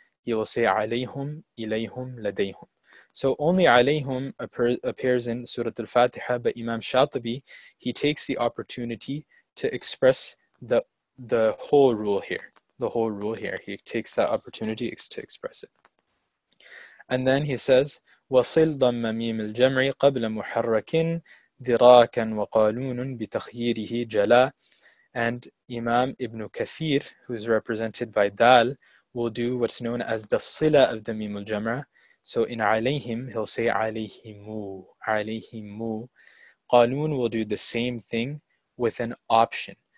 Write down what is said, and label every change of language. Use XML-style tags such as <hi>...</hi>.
<en>He will say</en> <ar>عَلَيْهُمْ إِلَيْهُمْ لَدَيْهُمْ.</ar> <en>So only عَلَيْهُمْ appears in Surah Al-Fatiha, but Imam Shatibi, he takes the opportunity to express the whole rule here. The whole rule here. He takes that opportunity to express it. And then he says,</en> <ar>وَصِلْ ضَمَّ مِيمِ الْجَمْعِ قَبْلَ مُحَرَّكٍ دِرَاكًا وَقَالُونٌ بِتَخْيِيرِهِ جَلَى.</ar> <en>And Imam Ibn Kathir, who is represented by Dal, will do what's known as the Sila of the Mimul Jam'a. So in عَلَيْهِمْ, he'll say عَلَيْهِمُ, عَلَيْهِمُ. قَالُون will do the same thing with an option.</en>